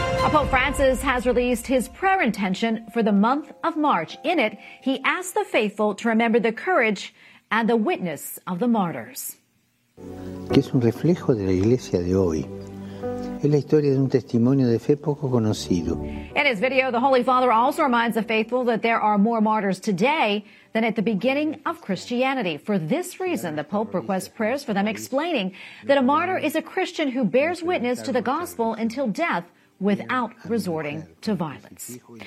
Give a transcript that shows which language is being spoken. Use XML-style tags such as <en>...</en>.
<en>Pope Francis has released his prayer intention for the month of March. In it, he asks the faithful to remember the courage and the witness of the martyrs.</en> <es>Que es un reflejo de la iglesia de hoy. Es la historia de un testimonio de fe poco conocido.</es> <en>In his video, the Holy Father also reminds the faithful that there are more martyrs today than at the beginning of Christianity. For this reason, the Pope requests prayers for them, explaining that a martyr is a Christian who bears witness to the gospel until death, without resorting to violence.</en>